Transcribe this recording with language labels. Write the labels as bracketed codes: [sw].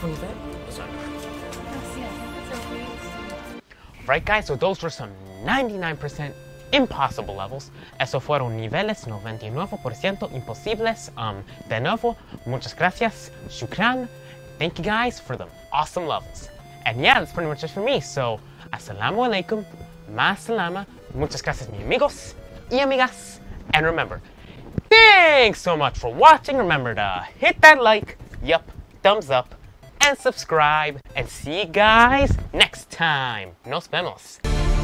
[en] prove it? Right, guys, so those were some 99% impossible levels. [es] Eso fueron niveles 99% imposibles. De nuevo, muchas gracias. [en] Shukran. Thank you, guys, for the awesome levels. And yeah, that's pretty much it for me. [es] So, [ar] assalamu alaikum, ma'a salama, [es] muchas gracias, mi amigos y amigas. [en] And remember, thanks so much for watching. Remember to hit that like, yup, thumbs up, and subscribe. And see you guys next time. [es] Nos vemos.